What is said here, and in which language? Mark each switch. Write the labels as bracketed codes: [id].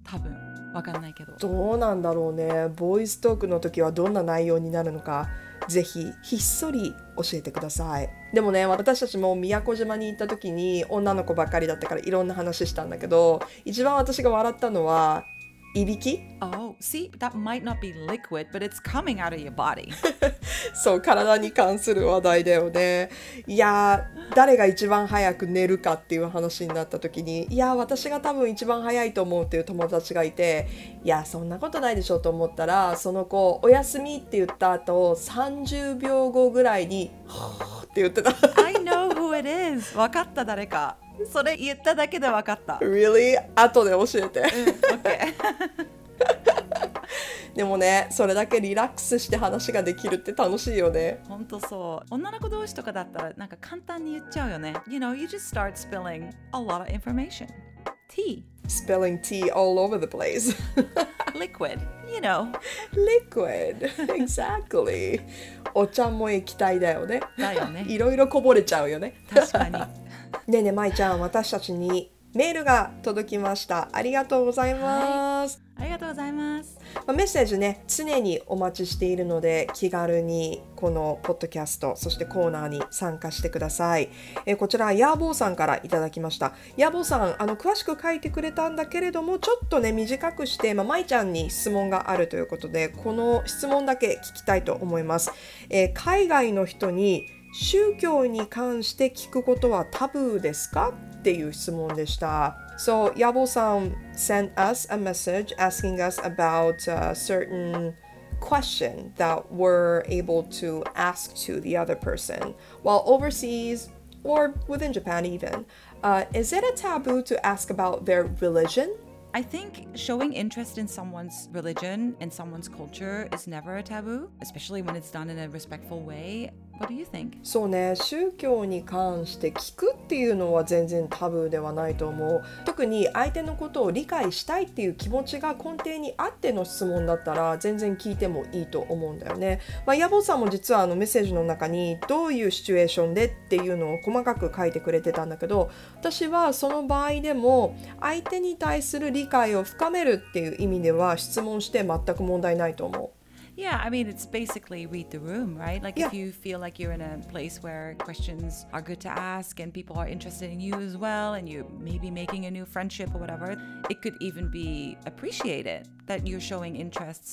[ja] 多分わかんないけど、どうなんだろうね。ボーイストークの時はどんな内容になるのか、ぜひひっそり教えてください。でもね、私たちも宮古島に行った時に女の子ばっかりだったからいろんな話したんだけど、一番私が笑ったのはいびき。 [en] Oh, see, that might not be liquid, but it's coming out of your body. [ja] そう、体に関する話題だよね。いや、誰が一番早く寝るかっていう話になった時に、いや、私が多分一番早いと思うっていう友達がいて、いや、そんなことないでしょうと思ったら、その子、おやすみって言った後、30秒後ぐらいに、ほーって言ってた。 [en] I know who it is. わかった、誰か。 [ja] それ言っただけで分かった。 Really? 後で教えて、 [en] okay. [ja] でもね、それだけリラックスして話ができるって楽しいよね。本当そう。女の子同士とかだったらなんか簡単に言っちゃうよね。 [en] You know, you just start spilling a lot of information. Tea. Spilling tea all over the place. Liquid, you know. [ja] Liquid, exactly. お茶も液体だよね。だよね。いろいろこぼれちゃうよね。確かに。ねえねえ、まいちゃん、私たちにメールが届きました。ありがとうございます。はい、ありがとうございます。メッセージね、常にお待ちしているので、気軽にこのポッドキャスト、そしてコーナーに参加してください。こちらヤーボーさんからいただきました。ヤーボーさん、詳しく書いてくれたんだけれども、ちょっとね短くして、まいちゃんに質問があるということで、この質問だけ聞きたいと思います。海外の人に宗教に関して聞くことはタブーですか？っていう質問でした。 [en] So, Yabo-san sent us a message asking us about a certain question that we're able to ask to the other person while overseas or within Japan even. Is it a taboo to ask about their religion? I think showing interest in someone's religion and someone's culture is never a taboo, especially when it's done in a respectful way. What do you think? [ja] そうね、宗教に関して聞くっていうのは全然タブーではないと思う。特に相手のことを理解したいっていう気持ちが根底にあっての質問だったら全然聞いてもいいと思うんだよね。まあ、ヤボさんも実はメッセージの中にどういうシチュエーションでっていうのを細かく書いてくれてたんだけど、私はその場合でも相手に対する理解を深めるっていう意味では質問して全く問題ないと思う。 [en] Yeah, I mean, it's basically read the room, right? Like, yeah. If you feel like you're in a place where questions are good to ask and people are interested in you as well, and you're maybe making a new friendship or whatever, it could even be appreciated that you're showing interest.